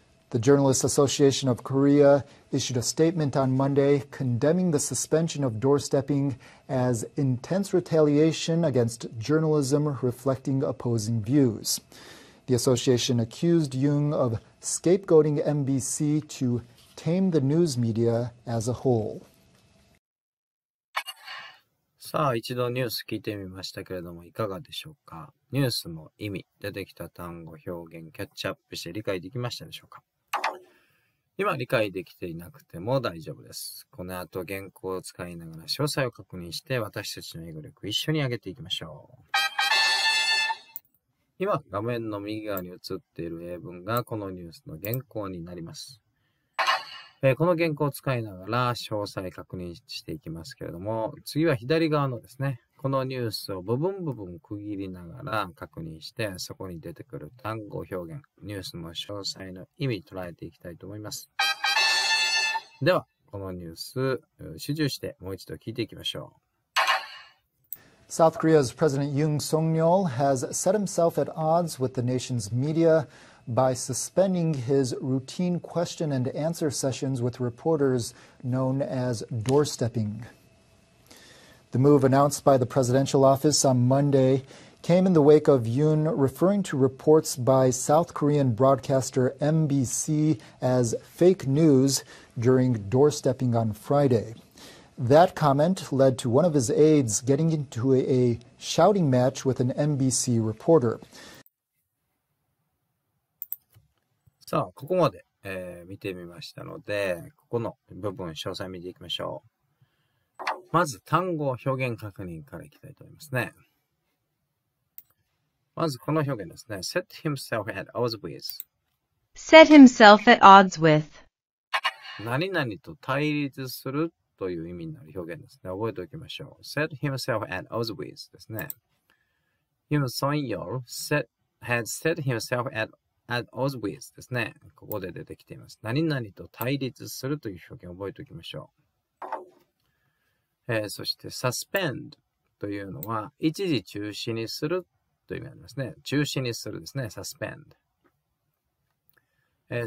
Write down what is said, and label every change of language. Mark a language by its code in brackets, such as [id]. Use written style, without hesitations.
[en] The Journalists Association of Korea issued a statement on Monday condemning the suspension of doorstepping as intense retaliation against journalism reflecting opposing views. The association accused Yoon of scapegoating MBC to tame the news media as a whole. [ja] さあ、一度ニュース聞いてみましたけれども、いかがでしょうか。ニュースの意味、出てきた単語表現キャッチアップして理解できましたでしょうか。今理解できていなくても大丈夫です。この後原稿を使いながら詳細を確認して、私たちの英語力一緒に上げていきましょう。今画面の右側に映っている英文がこのニュースの原稿になります。この原稿を使いながら詳細確認していきますけれども、次は左側のですね、このニュースを部分部分区切りながら確認して、そこに出てくる単語表現、ニュースの詳細の意味を捉えていきたいと思います。ではこのニュース集中してもう一度聞いていきましょう。 [en] South Korea's President Yoon Suk-yeol has set himself at odds with the nation's mediaby suspending his routine question and answer sessions with reporters known as doorstepping. The move announced by the presidential office on Monday came in the wake of Yoon referring to reports by South Korean broadcaster MBC as fake news during doorstepping on Friday. That comment led to one of his aides getting into a shouting match with an MBC reporter. [ja] さあ、ここまで、見てみましたので、ここの部分詳細見ていきましょう。まず単語表現確認からいきたいと思いますね。まずこの表現ですね、 [en] set himself at odds with、 set himself at odds with、 [ja] 何々と対立するという意味になる表現ですね。覚えておきましょう。 [en] set himself at odds with [ja] ですね。 [en] Yoon Suk-yeol has set himself at odds with [ja] ですね。ここで出てきています。何々と対立するという表現を覚えておきましょう。そして suspend というのは一時中止にするという意味がありますね。中止にするですね。suspend。